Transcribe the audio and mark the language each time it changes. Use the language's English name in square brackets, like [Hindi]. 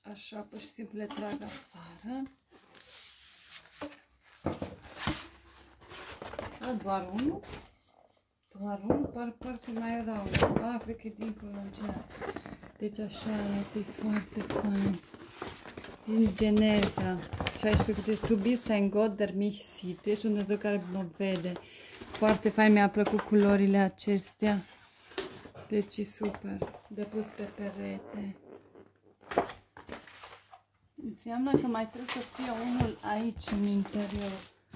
[Romanian] Așa, pur și simplu le trag afară. A, doar unul? Doar unul? Parcă mai era unul. A, cred că e dincolo în genul. Deci așa arată, e foarte fain. Din Geneza. Și aici pe cât ești, [German] tu bist ein Gott, der mich sieht. [Romanian] Ești un Dumnezeu care mă vede. Foarte fain, mi-a plăcut culorile acestea. Deci e super. Depus pe perete. Înseamnă că mai trebuie să fie unul aici, în interior.